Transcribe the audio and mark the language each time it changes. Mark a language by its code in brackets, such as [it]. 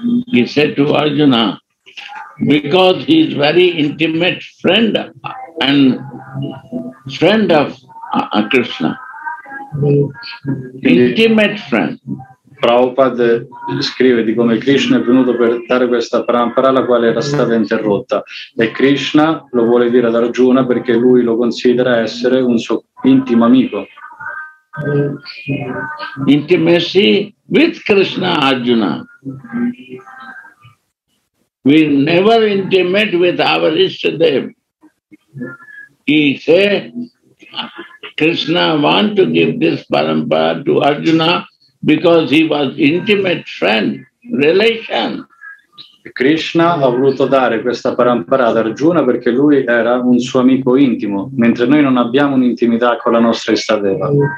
[en] He said to Arjuna, because he is very intimate friend and friend of Krishna. Intimate friend. [it] Prabhupada scrive di come Krishna è venuto per dare questa parampara la quale era stata interrotta, e Krishna lo vuole dire ad Arjuna perché lui lo considera essere un suo intimo amico. [en] Intimacy with Krishna Arjuna. We never intimate with our Ishtadev. He say, Krishna want to give this parampara to Arjuna because he was intimate friend, relation. [it] Krishna ha voluto dare questa parampara ad Arjuna perché lui era un suo amico intimo, mentre noi non abbiamo un'intimità con la nostra Ishtadeva.